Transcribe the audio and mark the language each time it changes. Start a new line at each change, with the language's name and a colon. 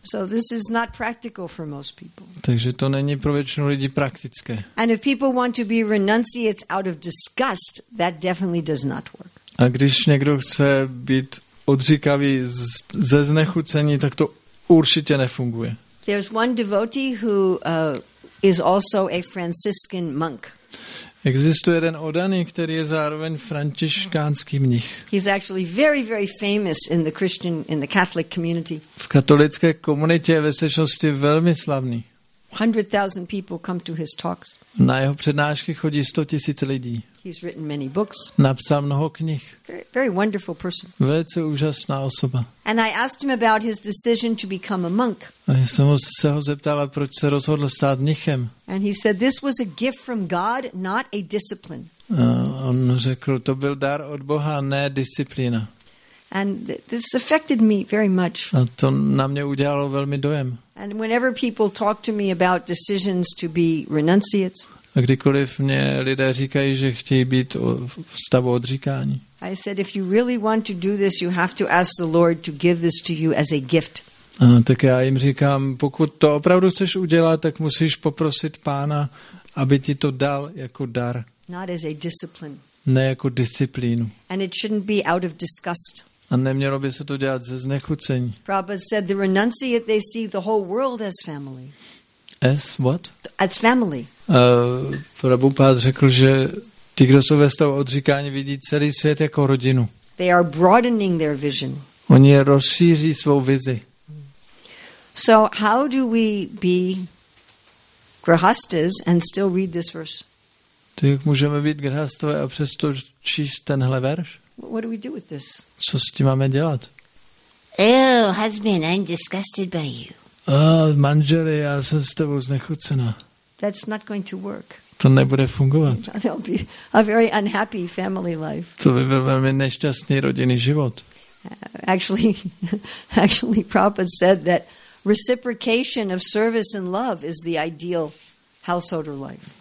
English: So this is not practical for most people.
Czech: Takže to není pro většinu lidí praktické.
English: And if people want to be renunciates out of disgust, that definitely does not work.
Czech: A když někdo chce být odříkavý ze znechucení, tak to určitě nefunguje.
English: There's one devotee who is also a Franciscan monk.
Czech: Existuje jeden odaný, který je zároveň františkánský mnich.
English: He's actually very, very famous in the Christian, in the Catholic community.
Czech: V katolické komunitě je ve skutečnosti velmi slavný.
English: 100,000 people come to his talks.
Czech: Na jeho přednášky chodí 100,000 lidí.
English: He's written many books.
Czech: Napsal mnoho knih.
English: Very, very wonderful person.
Czech: Velice úžasná osoba.
English: And I asked him about his decision to become a monk.
Czech: A já jsem se ho zeptala, proč se rozhodl stát mnichem.
English: And he said this was a gift from God, not a discipline.
Czech: On řekl, to byl dar od Boha, ne disciplína.
English: And this affected me very much.
Czech: A to na mě udělalo velmi dojem.
English: And whenever people talk to me about decisions to be renunciates,
Czech: a kdykoliv mě lidé říkají, že chtějí být v stavu odříkání.
English: I said if you really want to do this, you have to ask the Lord to give this to you as a gift.
Czech: A tak já jim říkám, pokud to opravdu chceš udělat, tak musíš poprosit Pána, aby ti to dal jako dar.
English: Not as a discipline.
Czech: Ne jako disciplínu.
English: And it shouldn't be out of disgust.
Czech: A nemělo by se to dělat ze znechucení.
English: Prabhupada said the renunciate they see the whole world as family. As what? As family.
Czech: Prabhupada řekl, že ti, kdo jsou ve stavu odříkání, vidí celý svět jako rodinu.
English: They are broadening their vision.
Czech: Oni rozšíří svou vizi.
English: So how do we be grihasthas and still read this verse?
Czech: Tak můžeme být grihasthové a přesto číst tenhle verš?
English: What do we do with this?
Czech: Co s tím máme dělat?
English: Oh, husband, I'm disgusted by you.
Czech: Oh, manžele, já jsem s tebou znechucená.
English: That's not going to work.
Czech: To nebude fungovat.
English: There'll be a very unhappy family life.
Czech: To by byl velmi nešťastný rodinný život.
English: Actually, Prabhupada said that reciprocation of service and love is the ideal householder life.